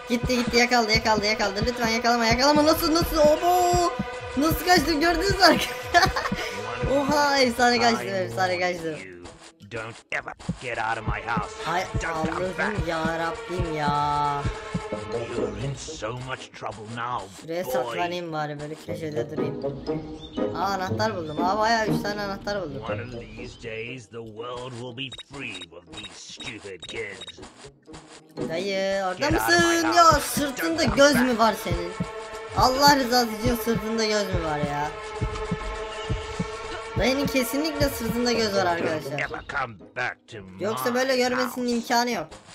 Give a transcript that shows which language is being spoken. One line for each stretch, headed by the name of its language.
Turkish: Gitti gitti, yakaladı yakaladı yakaladı. Lütfen yakalama yakalama, nasıl nasıl, obo. Nasıl kaçtım, gördünüz mü? Oha, efsane kaçtım, efsane kaçtım.
English: Don't ever get out of my house.
Turkish: Hay Allah'ım ya Rabbim ya.
English: You're in so much trouble now.
Turkish: Şuraya saklanayım bari, böyle köşede durayım. Aa, anahtar buldum. Aa, bayağı 3 tane anahtar buldum.
English: One of these days the world will be free of these stupid kids.
Turkish: Dayı, orada get mısın? Ya sırtında göz mü var senin? Allah rızası için sırtında göz mü var ya? Dayının kesinlikle sırtında göz var arkadaşlar. Yoksa böyle görmesinin imkanı yok.